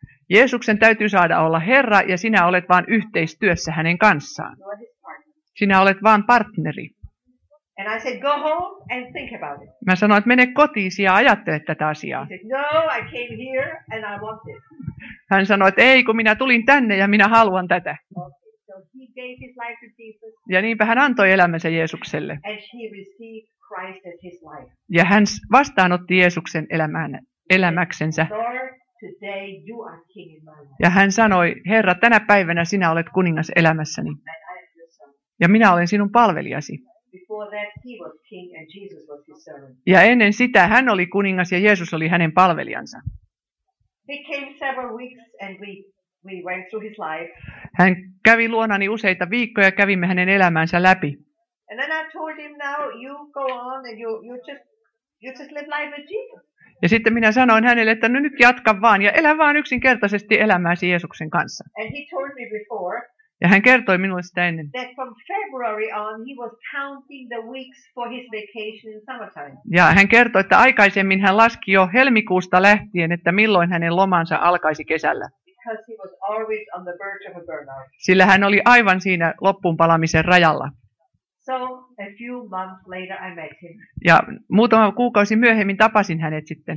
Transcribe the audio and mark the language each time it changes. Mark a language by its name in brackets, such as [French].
[Finnish] Jeesuksen täytyy saada olla Herra ja sinä olet vain yhteistyössä hänen kanssaan. Sinä olet vain partneri. [English] And I said, go home and think about it. [Finnish] Mä sanoin, että mene kotiisi ja ajattele tätä asiaa. [English] He said, no, I came here and I want it. [Finnish] Hän sanoi, että ei, kun minä tulin tänne ja minä haluan tätä. [English] Okay. So he gave his life to Jesus. [Finnish] Ja niinpä hän antoi elämänsä Jeesukselle. [English] And he received Christ as his life. [Finnish] Ja hän vastaanotti Jeesuksen elämäksensä. [English] Today you are king in my life. [Finnish] Ja hän sanoi, Herra, tänä päivänä sinä olet kuningas elämässäni. [English] And I am your son. [Finnish] Ja minä olen sinun palvelijasi. [English] Before that he was king and Jesus was his servant. [Finnish] Ja ennen sitä hän oli kuningas ja Jeesus oli hänen palvelijansa. [English] He came several weeks and we went through his life. [Finnish] Hän kävi luonani useita viikkoja, kävimme hänen elämänsä läpi. [English] And then I told him, now you go on and you just live life with Jesus. [Finnish] Ja sitten minä sanoin hänelle, että nyt jatka vaan ja elä vaan yksinkertaisesti elämääsi Jeesuksen kanssa. [English] And he told me before. [Finnish] Ja hän kertoi minulle sitä ennen. [English] That from February on he was counting the weeks for his vacation in summertime. [Finnish] Ja hän kertoi, että aikaisemmin hän laski jo helmikuusta lähtien, että milloin hänen lomansa alkaisi kesällä. [English] Because he was always on the verge of a burnout. [Finnish] Sillä hän oli aivan siinä loppuunpalamisen rajalla. [English] So a few months later I met him. [Finnish] Ja muutama kuukausi myöhemmin tapasin hänet sitten.